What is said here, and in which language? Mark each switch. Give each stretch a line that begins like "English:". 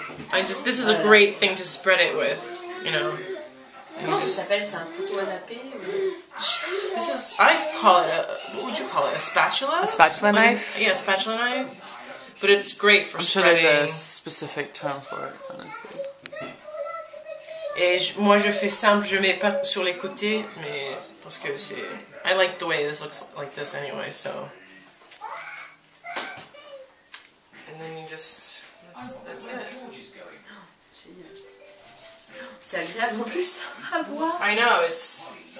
English: This is a great thing to spread it with, you know.
French: Comment ça s'appelle? C'est un couteau à napper?
English: This is... I call it a... What would you call it? A spatula? A spatula knife? Yeah, a spatula knife. But it's great for spreading... I'm sure there's a specific term for it, honestly.
French: Et moi je fais simple, je mets pas sur les côtés, mais parce que c'est...
English: I like the way this looks like this anyway, so... And then you just... That's it.
French: C'est agréable en plus à voir.
English: I know, it's...